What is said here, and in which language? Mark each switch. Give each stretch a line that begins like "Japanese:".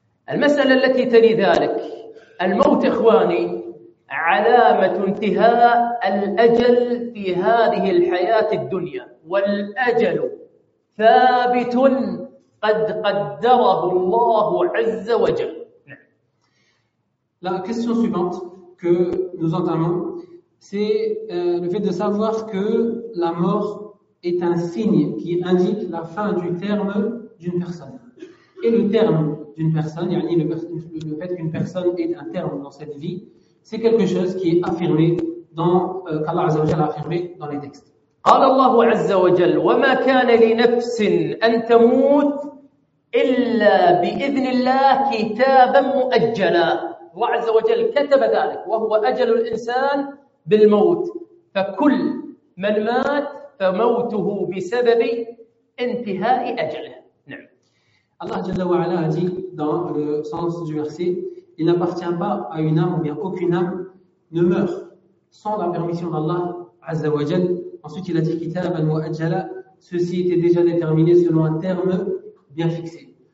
Arabic: المسألة التي تلي ذلك الموت إخواني علامة انتهاء الأجل في هذه الحياة الدنيا والأجل ثابت قد قدره الله عز وجل.
French: La question suivante que nous entamons, c'est le fait de savoir que la mort est un signe qui indique la fin du terme d'une personne. Et le terme d'une personne, yani le fait qu'une personne ait un terme dans cette vie, c'est quelque chose qui est affirmé dans qu'Allah Azza wa Jalla a affirmé dans les textes.
Arabic: قال الله عز وجل وما كان لنفس أن تموت إلا بإذن الله كتابا مؤجلا. الله عز وجل كتب ذلك وهو أجل الإنسان بالموت. فكل من مات فموته بسبب انتهاء أجله. نعم. الله جل وعلا
French: a dit dans le sens du verset. Il n'appartient pas à une âme ou bien aucune âme ne meurt sans la permission d'Allah Azza wa Jal. Ensuite, il a dit Kitaban wa ajala, ceci était déjà déterminé selon un terme bien fixé.